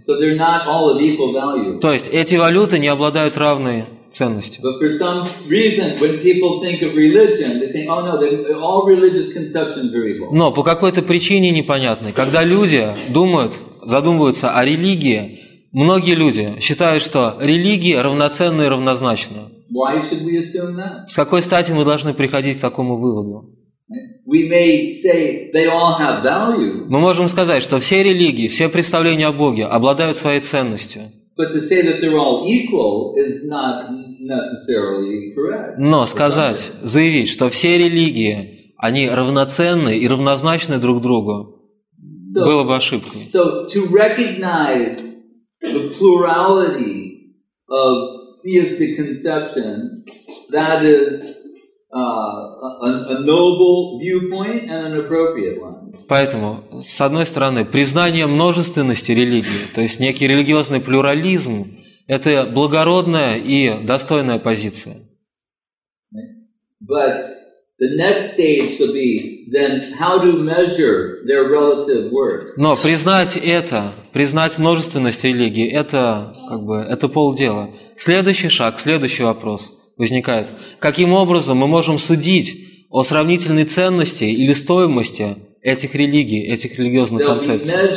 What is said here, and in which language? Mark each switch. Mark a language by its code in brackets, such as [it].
[en] So they're not all of equal value. [ru] То есть эти валюты не обладают равной ценностью. [en] But for some reason, when people think of religion, they think, oh no, all religious conceptions are equal. [ru] Но по какой-то причине непонятной, когда люди думают, задумываются о религии, многие люди считают, что религия равноценна и равнозначна. [en] Why should we assume that? [ru] С какой стати мы должны приходить к такому выводу? [en] We may say they all have value. [ru] Мы можем сказать, что все религии, все представления о Боге обладают своей ценностью. [en] But to say that they're all equal is not necessarily correct. [ru] Но сказать, заявить, что все религии, они равноценны и равнозначны друг другу, было бы ошибкой. [en] So to recognize the plurality of theistic conceptions, that is a noble viewpoint and an appropriate one. [ru] Поэтому, с одной стороны, признание множественности религии, то есть некий религиозный плюрализм, это благородная и достойная позиция. [en] But the next stage should be then how to measure their relative worth. [ru] Но признать это, признать множественность религии, это как бы это полдела. Следующий шаг, следующий вопрос возникает. Каким образом мы можем судить о сравнительной ценности или стоимости этих религий, этих религиозных концепций?